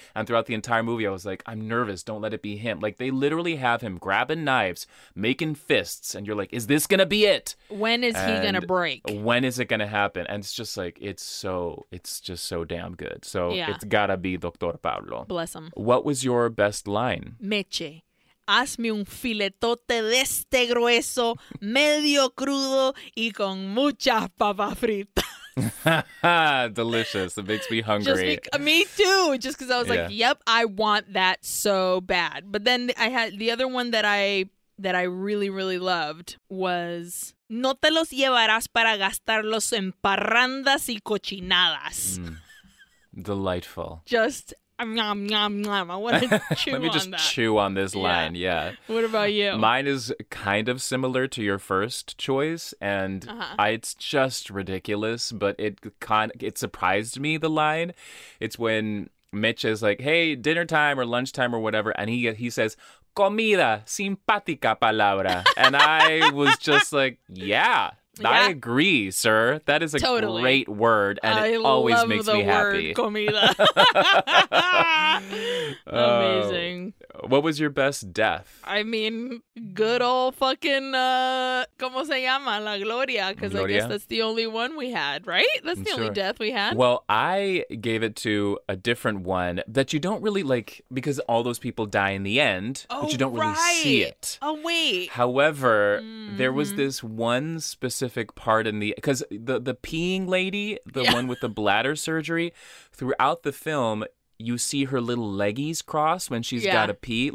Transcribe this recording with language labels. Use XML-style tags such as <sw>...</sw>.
<en>And throughout the entire movie, I was like, I'm nervous. Don't let it be him. Like they literally have him grabbing knives, making fists. And you're like, is this going to be it? When is he going to break? When is it going to happen? And it's just like, it's just so damn good. So it's gotta be Dr. Pablo. Bless him. What was your best line? Meche.</en> <es>Hazme un filetote de este grueso, medio crudo y con muchas papas fritas.</es> <en>Delicious. It makes me hungry. Me too. Just because I was like, yep, I want that so bad. But then I had the other one that I really, really loved was...</en> <es>No te los llevarás para gastarlos en parrandas y cochinadas. Mm.</es> <en>Delightful. Just... Nom, nom, nom. I want to chew on that. Let me just chew on this line, yeah. What about you? Mine is kind of similar to your first choice, and it's just ridiculous, but it surprised me, the line. It's when Mitch is like, hey, dinner time or lunchtime or whatever, and he says,</en> <es>comida, simpática palabra.</es> <en>And I was just like, I agree, sir. That is a great word, and it always makes me happy. I love the word comida. Amazing. What was your best death? I mean, good old fucking,</en> <es>¿cómo se llama?</es> <en>La Gloria. Because I guess that's the only one we had, right? That's the only death we had. Well, I gave it to a different one that you don't really like, because all those people die in the end, but you don't really see it. Oh, wait. However, there was this one specific part in the, because the peeing lady, the one with the bladder surgery, throughout the film, you see her little leggies cross when she's got to pee.</en>